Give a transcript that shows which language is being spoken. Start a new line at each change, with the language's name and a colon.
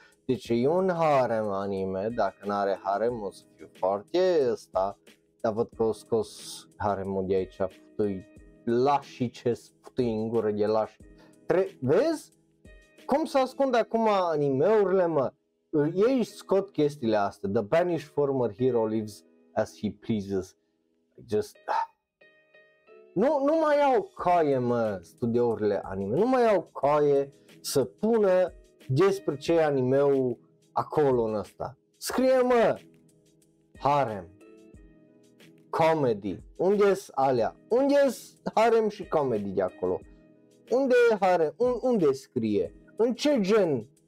Romanian: Deci e un harem anime, dacă n-are harem o să fiu foarte ăsta. Dar văd că o scos haremul de aici, putui lași ce putui în gură de lași. Vezi? Cum să ascund acum animeurile, mă? Ei scot chestiile astea.
English: The banished former hero lives as he pleases. Just...
Romanian: Nu mai iau coaie, mă, studiourile anime. Nu mai iau coaie să pună despre ce e animeul acolo în ăsta. Scrie, mă, harem, comedy. Unde-s alea? Unde-s harem și comedy de acolo? Unde e harem? Unde scrie? În ce gen?